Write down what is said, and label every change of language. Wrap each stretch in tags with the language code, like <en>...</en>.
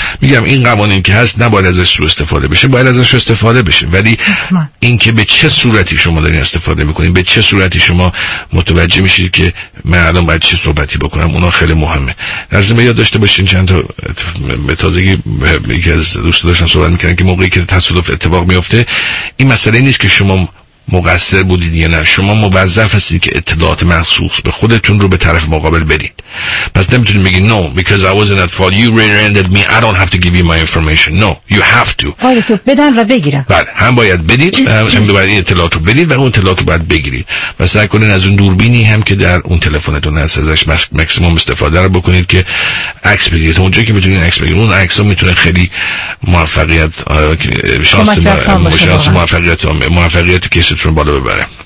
<fa>میگم این قوانین که هست نباید ازش سوء استفاده بشه، باید ازش استفاده بشه، ولی این که به چه صورتی شما دارین استفاده میکنین، به چه صورتی شما متوجه میشید که من الان باید چه صحبتی بکنم، اونها خیلی مهمه. لازم یاد داشته باشین چند تا به تازگی یکی از دوستا داشتن صحبت میکردن که موقعی که تصادف اتفاق میفته این مسئله نیست که شما مقصر بودید یا نه، شما موظف هستید که اطلاعات مخصوص به خودتون رو به طرف مقابل بدید. پس نمیتونید بگید</fa> <en>no because I wasn't at fault, you rear-ended me, I don't have to give you my information. No, you have to.</en> <fa>آره، بدن و بگیرن. بله، هم باید بدید، هم باید اطلاعات رو بدید و اون اطلاعات رو باید بگیرید. و سعی کنین از اون دوربینی هم که در اون تلفنتون هست ازش ماکسیمم استفاده رو بکنید که عکس بگیرید. اونجا که میتونید عکس بگیرید، اون عکس میتونه خیلی موفقیت شانس موفقیت موفقیت چون بالا ببره.</fa>